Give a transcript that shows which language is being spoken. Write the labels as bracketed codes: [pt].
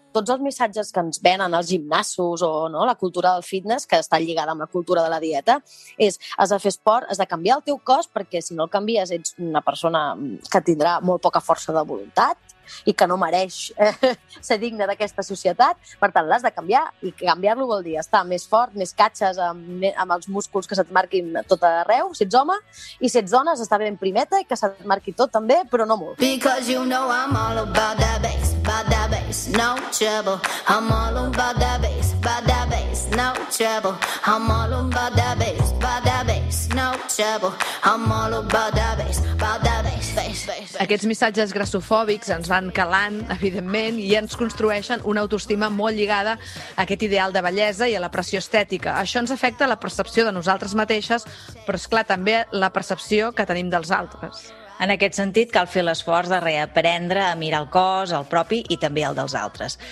[ca] Tots els missatges que ens venen als gimnasos o no, la cultura del fitness, que està lligada amb la cultura de la dieta, és has de fer esport, has de canviar el teu cos, perquè si no el canvies ets una persona que tindrà molt poca força de voluntat i que no mereix ser digne d'aquesta societat. Per tant, l'has de canviar i canviar-lo vol dir estar més fort, més catxes, amb els músculs que se't marquin tot arreu, si ets home, i si ets dona, has d'estar ben primeta i que se't marqui tot també, però no molt. [en] Because you know I'm all about that bass, about that bass, no trouble. I'm all about that bass, about that bass, no trouble. I'm all about that bass, about that bass, no trouble. I'm all about that bass, about that bass, bass, bass, bass. [ca] Aquests missatges grassofòbics ens van calant, evidentment, i ens construeixen una autoestima molt lligada a aquest ideal de bellesa i a la pressió estètica. Això ens afecta la percepció de nosaltres mateixes, però, és clar, també la percepció que tenim dels altres. En aquest sentit, cal fer l'esforç de reaprendre a mirar el cos, el propi i també el dels altres.